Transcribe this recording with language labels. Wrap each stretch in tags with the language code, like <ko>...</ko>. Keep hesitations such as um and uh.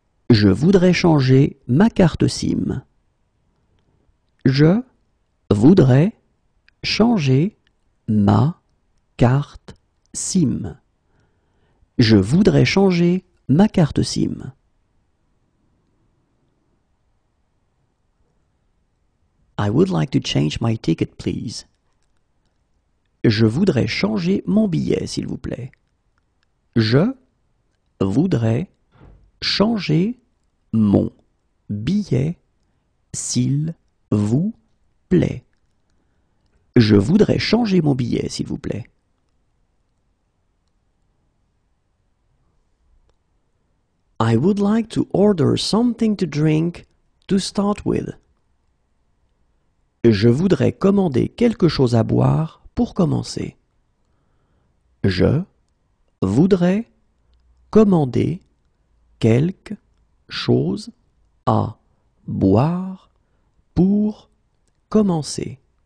<fr>Je voudrais changer ma carte SIM. Je voudrais changer ma carte SIM. Je voudrais changer ma carte SIM.</fr> <en>I would like to change my ticket, please.</en> <fr>Je voudrais changer mon billet, s'il vous plaît. Je voudrais changer mon billet, s'il vous plaît. Je voudrais changer mon billet, s'il vous plaît.</fr> <en>I would like to order something to drink to start with.</en> <fr>Je voudrais commander quelque chose à boire pour commencer. Je voudrais commander quelque chose à boire pour commencer.</fr>